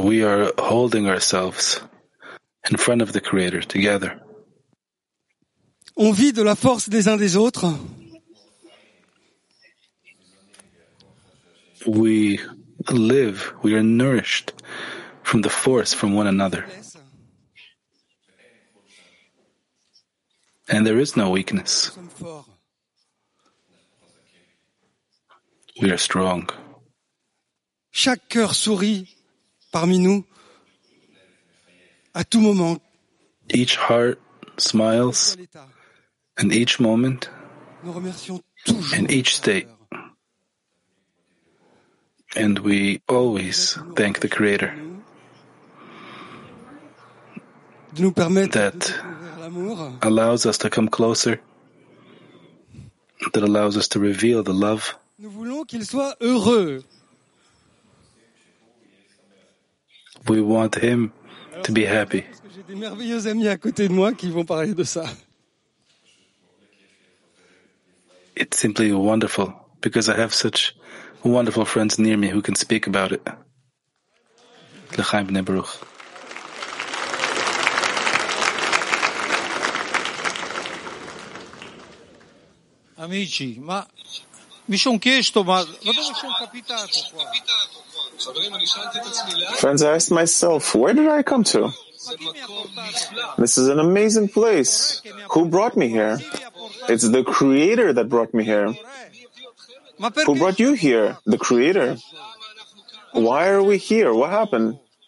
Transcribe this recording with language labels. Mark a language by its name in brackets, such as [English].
[English] We are holding ourselves in front of the Creator together. [French] On vit de la force des uns des autres. [English] We live, we are nourished from the force from one another. And there is no weakness. We are strong. [French] Chaque cœur sourit parmi nous à tout moment. [English] Each heart smiles in each moment. [French] Nous remercions toujours. [English] In each state. And we always thank the Creator. [French] De nous permettre [English] that allows us to come closer. That allows us to reveal the love. [French] Nous voulons qu'il soit heureux. [English] We want him to be happy. [French] J'ai des merveilleux amis à côté de moi qui vont parler de ça. [English] It's simply wonderful because I have such wonderful friends near me who can speak about it. [Hebrew] L'chaim b'nei Baruch. [Italian] Amici, ma... Mi sono chiesto, ma dove sono capitato qua? [English] Friends, I asked myself, where did I come to? This is an amazing place. Who brought me here? It's the Creator that brought me here. Who brought you here? The Creator. Why are we here? What happened?